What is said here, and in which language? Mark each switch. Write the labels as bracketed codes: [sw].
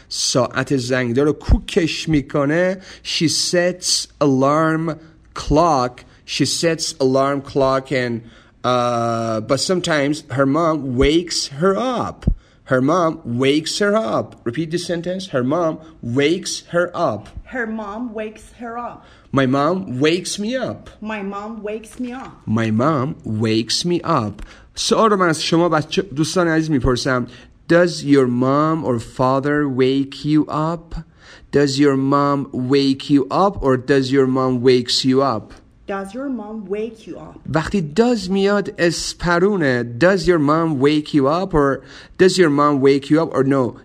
[fa] ساعت زنگدار رو کوکش میکنه. [en] She sets alarm clock. She sets alarm clock and but sometimes her mom wakes her up. Her mom wakes her up. Repeat this sentence. Her mom wakes her up. Her mom wakes her up. My mom wakes me up. My mom wakes me up. My mom wakes me up. [fa] سوال رو من از شما دوستان عزیز میپرسم. [en] Does your mom or father wake you up? Does your mom wake you up or does your mom wakes you up? Does your mom wake you up? [fa] وقتی does میاد اسپرونه. [en] Does your mom wake you up or does your mom wake you up or no?